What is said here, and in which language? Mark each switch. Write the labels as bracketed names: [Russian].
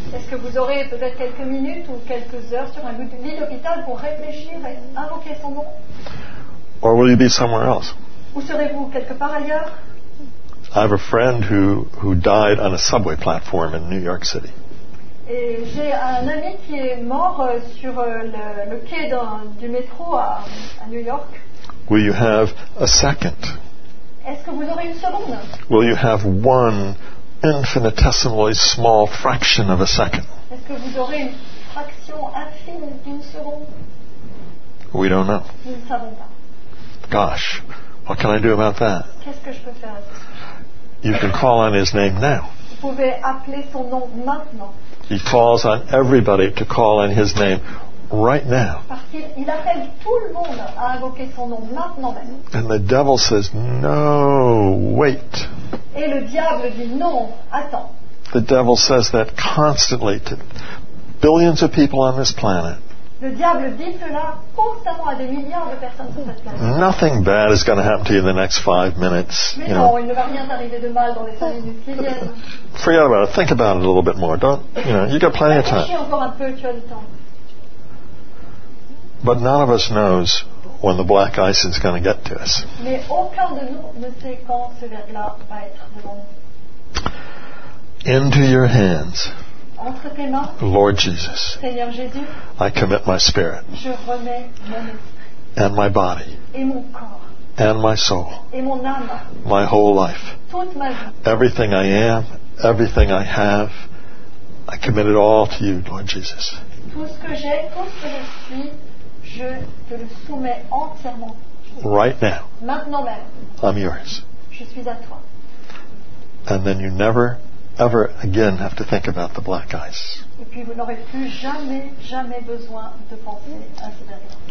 [French] Est-ce que vous aurez peut-être quelques minutes ou quelques heures sur un lit d'hôpital pour réfléchir et invoquer son nom? [English] Or will you be somewhere else? [French] Ou serez-vous quelque part ailleurs? [English] I have a friend who died on a subway platform in New York City. [French] Et j'ai un ami qui est mort sur le quai du métro à New York. [English] Will you have a second? [French] Est-ce que vous aurez une seconde? [English] Will you have one infinitesimally small fraction of a second? [French] Est-ce que vous aurez une fraction infime d'une seconde? [English] We don't know. [French] Nous ne savons pas. [English] Gosh, what can I do about that? [French] Qu'est-ce que je peux faire à ce sujet? [English] You can call on his name now. [French] Vous pouvez appeler son nom maintenant. [English] He calls on everybody to call on his name right now. [French] Il appelle tout le monde à invoquer son nom maintenant même. [English] And the devil says, no, wait. [French] Et le diable dit, non, attends. [English] The devil says that constantly to billions of people on this planet. [French] Le diable dit cela constamment à des milliards de personnes sur cette planète. [English] Nothing bad is going to happen to you in the next 5 minutes. [French] Mais [English] you [French] non, [English] know. [French] Il ne va rien arriver de mal dans les 5 minutes qui viennent. [English] Forget about it. Think about it a little bit more. Don't, you know, you got plenty of time. [French] Réfléchis encore un peu, tu as le temps. [English] But none of us knows when the black ice is going to get to us. [French] Mais aucun de nous ne sait quand ce verre-là va être devant nous. [English] Into your hands, [French] entre tes mains, [English] Lord Jesus, [French] Seigneur Jésus, [English] I commit my spirit, [French] je remets mon esprit, [English] and my body, [French] et mon corps, [English] and my soul, [French] et mon âme, [English] my whole life, [French] toute ma vie, [English] everything I am, everything I have, I commit it all to you, Lord Jesus. [French] Tout ce que j'ai, tout ce que je suis, je te le soumets entièrement. [English] Right now. [French] Maintenant même. [English] I'm yours. [French] Je suis à toi. [English] And then you never, ever again have to think about the black eyes. [French] Et puis vous n'aurez plus jamais, jamais besoin de penser à ce dernier.